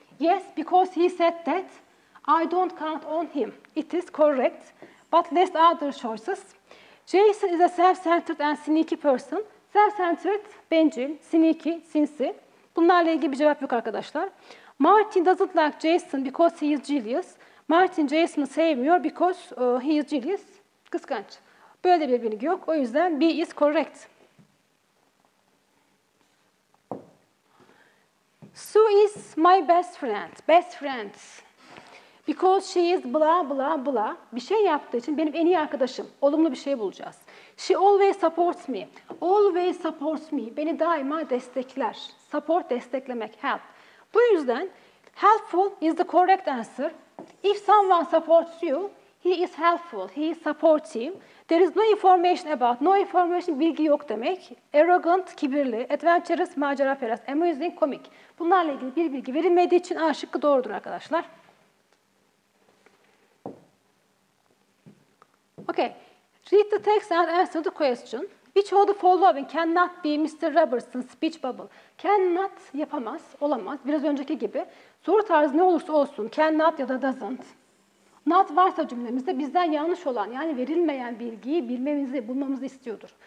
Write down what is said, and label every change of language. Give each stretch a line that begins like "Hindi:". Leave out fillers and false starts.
English: Yes, because he said that I don't count on him. It is correct. But less other choices. Jason is a self-centered and sneaky person.
Turkish: Self-centered, bencil, sneaky, sinsi. Bunlarla ilgili bir cevap yok arkadaşlar.
English: Martin doesn't like Jason because he is jealous. Martin
Turkish: Jason'ı sevmiyor
English: because he is jealous.
Turkish: Kıskanç. Böyle bir bilgi yok. O yüzden
English: B is correct. Sue is my best friend. Best friend. Because she is blah blah blah.
Turkish: Bir şey yaptığı için benim en iyi arkadaşım. Olumlu bir şey bulacağız.
English: She always supports me. Always supports me.
Turkish: Beni daima destekler. Support, desteklemek, help. Bu yüzden helpful is the correct answer.
English: If someone supports you, he is helpful, he is supportive. There is no information about, no information,
Turkish: bilgi yok demek.
English: Arrogant, kibirli, adventurous, maceraperest, amusing, komik.
Turkish: Bunlarla ilgili bir bilgi verilmediği için A şıkkı doğrudur arkadaşlar.
English: Okay, read the text and answer the question. Which of the following cannot be Mr. Robertson's speech bubble?
Turkish: Cannot, yapamaz, olamaz. Biraz önceki gibi. Soru tarzı ne olursa olsun, cannot ya da doesn't. Not varsa cümlemizde bizden yanlış olan, yani verilmeyen bilgiyi bilmemizi, bulmamızı istiyordur.